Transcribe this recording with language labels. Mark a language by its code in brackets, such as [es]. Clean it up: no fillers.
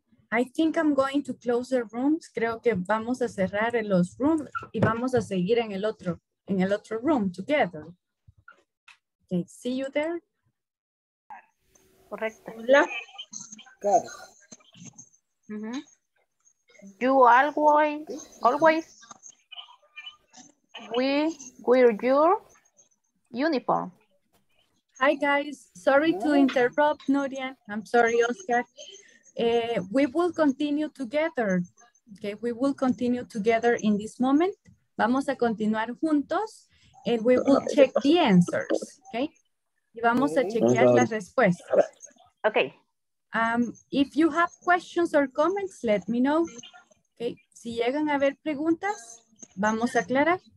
[en] I think I'm going to close the rooms. [es] Creo que vamos a cerrar los rooms y vamos a seguir en el otro room [en] together. Okay, see you there. [es] Correcto. Hola. Claro. [en] Mm-hmm. You always wear your uniform. Hi guys, sorry to interrupt, Nuria. I'm sorry, Oscar. We will continue together. Okay, we will continue together in this moment. [es] Vamos a continuar juntos. [en] And we will check the answers, okay? [es] Y vamos a chequear las respuestas. [en] Okay. If you have questions or comments, let me know. Okay. [es] Si llegan a haber preguntas, vamos a aclarar.